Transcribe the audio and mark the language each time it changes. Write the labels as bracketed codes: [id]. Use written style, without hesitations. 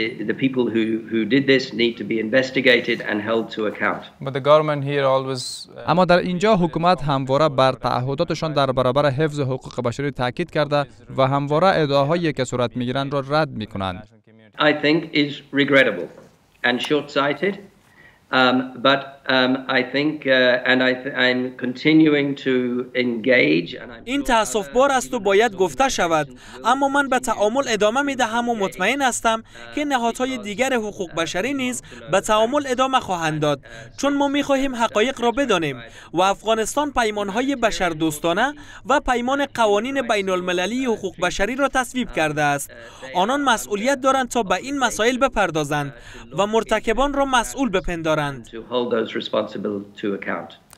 [en] The people who did this need to be investigated and held to account. But the government here always. [fa] اما در اینجا حکومت همواره بر تعهداتشان در برابر حفظ حقوق بشری تاکید کرده و همواره ادعاهایی که صورت میگیرند را رد میکنند. [en] I think is regrettable and short-sighted. I'm continuing to engage. [fa] این تأسف بار است و باید گفته شود، اما من به تعامل ادامه می دهم و مطمئن هستم که نهادهای دیگر حقوق بشری نیز به تعامل ادامه خواهند داد، چون ما می خواهیم حقایق را بدانیم و افغانستان پیمانهای بشر دوستانه و پیمان قوانین بین المللی حقوق بشری را تصویب کرده است. آنان مسئولیت دارند تا به این مسائل بپردازند و مرتکبان را مسئول بپندارند. [en] To hold those responsible to account.